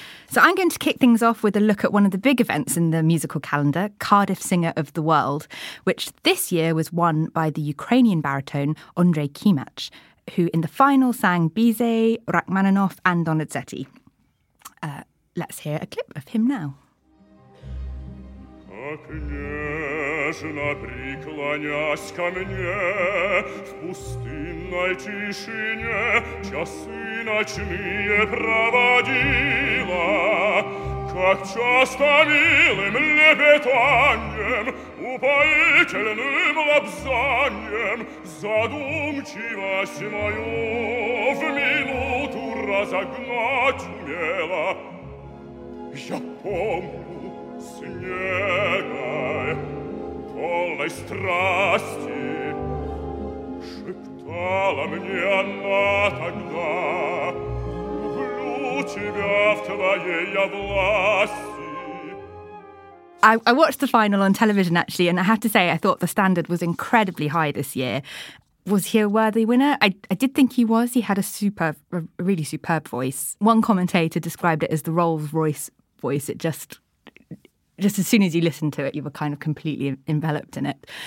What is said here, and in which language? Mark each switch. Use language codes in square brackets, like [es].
[en] So I'm going to kick things off with a look at one of the big events in the musical calendar, Cardiff Singer of the World, which this year was won by the Ukrainian baritone Andrei Kimach, who in the final sang Bizet, Rachmaninoff and Donizetti. Let's hear a clip of him now. [ru] Княжна приклонясь ко мне в пустынной тишине часы ночные проводила, как часто милым лепетаньем, упоительным лапзаньем задумчивость мою в минуту разогнать умела. Я помню снегой полной страсти шептала мне она тогда: люблю тебя в твоей я власти. [en] I watched the final on television, actually, and I have to say I thought the standard was incredibly high this year. Was he a worthy winner? I did think he was. He had a really superb voice. One commentator described it as the Rolls-Royce voice. It just as soon as you listened to it, you were kind of completely enveloped in it.